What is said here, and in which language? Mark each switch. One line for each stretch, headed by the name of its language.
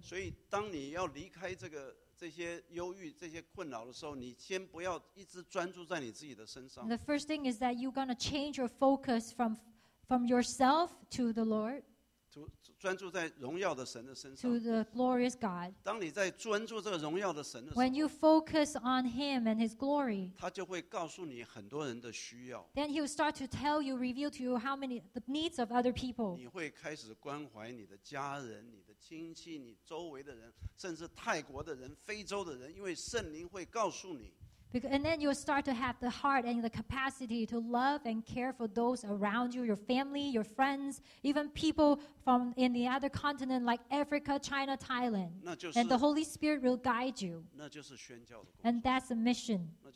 English: So when you leave
Chinese: 这些忧郁、这些困扰的时候，你先不要一直专注在你自己的身上。
English: The first thing is that you're going to change your focus from yourself to the Lord.
Chinese: 专注在荣耀的神的身上。
English: To the glorious God.
Chinese: 当你在专注这个荣耀的神的时候。
English: When you focus on Him and His glory.
Chinese: 他就会告诉你很多人的需要。
English: Then He will start to tell you, reveal to you how many the needs of other people.
Chinese: 你会开始关怀你的家人、你的亲戚、你周围的人，甚至泰国的人、非洲的人，因为圣灵会告诉你。
English: And then you'll start to have the heart and the capacity to love and care for those around you, your family, your friends, even people from in the other continent like Africa, China, Thailand. And the Holy Spirit will guide you. And that's a mission.